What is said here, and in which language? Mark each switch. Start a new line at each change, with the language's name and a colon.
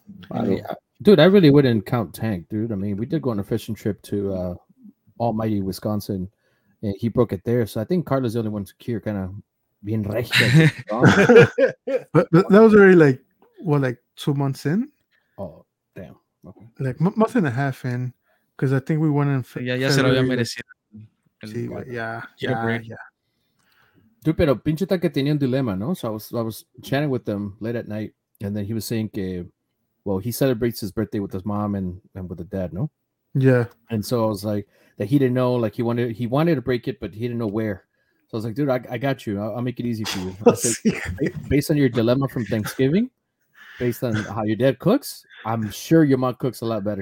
English: I really wouldn't count Tank, dude. I mean, we did go on a fishing trip to Almighty, Wisconsin, and he broke it there. So I think Carla's the only one to cure kind of being right. But that was already like 2 months in? Oh, damn. Okay. Like, month and a half in, because I think we went in.
Spanish: Yeah, ya se lo había merecido.
English: Yeah. Dude,
Spanish: pero pinche tanque tenía un dilema, ¿no?
English: So I was chatting with him late at night, and then he was saying
Spanish: que,
English: well, he celebrates his birthday with his mom and with the dad, no? Yeah. And so I was like, that he didn't know, like he wanted to break it, but he didn't know where. So I was like, dude, I got you. I'll make it easy for you. I said, based on your dilemma from Thanksgiving, based on how your dad cooks, I'm sure your mom cooks a lot better.